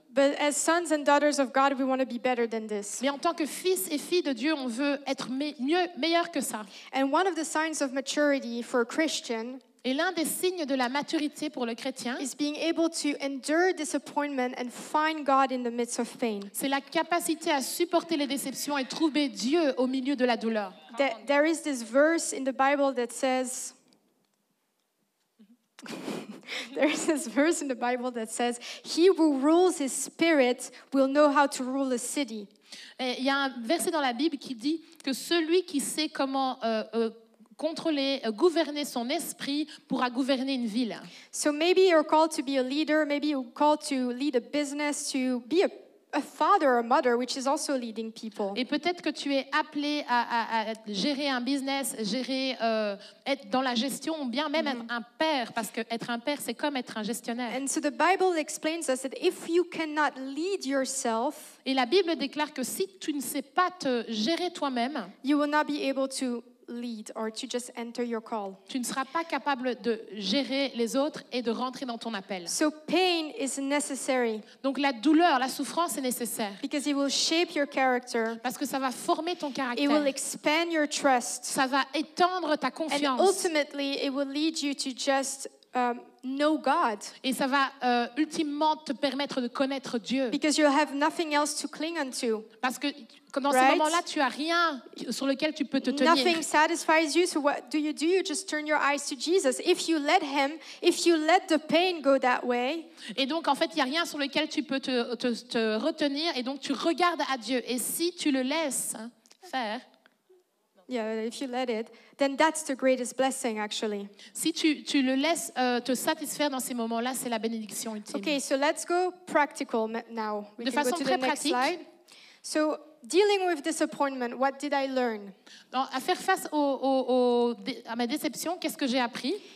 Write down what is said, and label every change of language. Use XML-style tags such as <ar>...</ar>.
<en>But as sons and daughters of God, we want to be better than this.</en> <fr>Mais en tant que fils et filles de Dieu, on veut être meilleur que ça.</fr> <en>And one of the signs of maturity for a Christian.</en> <fr>Et l'un des signes de la maturité pour le chrétien.</fr> <en>Is being able to endure disappointment and find God in the midst of pain.</en> <fr>C'est la capacité à supporter les déceptions et trouver Dieu au milieu de la douleur.</fr> <en>There is this verse in the Bible that says. There is this verse in the Bible that says, "He who rules his spirit will know how to rule a city."</en> <fr>Il y a un verset dans la Bible qui dit que celui qui sait comment contrôler, gouverner son esprit pourra gouverner une ville.</fr> <en>So maybe you're called to be a leader. Maybe you're called to lead a business, to be a father or a mother, which is also leading people.</en> <fr>Et peut-être que tu es appelé à gérer un business, gérer être dans la gestion, ou bien même être un père, parce que être un père, c'est comme être un gestionnaire.</fr> <en>And so the Bible explains us that if you cannot lead yourself,</en> <fr>et la Bible déclare que si tu ne sais pas te gérer toi-même,</fr> <en>you will not be able to lead or to just enter your call.</en> <fr>Tu ne seras pas capable de gérer les autres et de rentrer dans ton appel.</fr> <en>So pain is necessary.</en> <fr>Donc la douleur, la souffrance est nécessaire.</fr> <en>Because it will shape your character.</en> <fr>Parce que ça va former ton caractère.</fr> <en>It will expand your trust.</en> <fr>Ça va étendre ta confiance.</fr> <en>And ultimately, it will lead you to just know God.</en> <fr>Et ça va ultimement te permettre de connaître Dieu.</fr> <en>Because you'll have nothing else to cling onto.</en> <fr>Parce que dans ces moments-là, tu as rien sur lequel tu peux te tenir.</fr> <en>Nothing satisfies you. So what do? You just turn your eyes to Jesus. If you let him, if you let the pain go that way.</en> <fr>Et donc, en fait, il y a rien sur lequel tu peux te retenir. Et donc, tu regardes à Dieu. Et si tu le laisses faire.</fr> <en>No. if you let it, then that's the greatest blessing, actually.</en> <fr>Si tu le laisses te satisfaire dans ces moments-là, c'est la bénédiction ultime.</fr> <en>Okay, so let's go practical now.</en> <fr>De façon très pratique.</fr> <en>So, dealing with disappointment, what did I learn?</en> <fr>Donc, à faire face à ma déception, qu'est-ce que j'ai appris?</fr>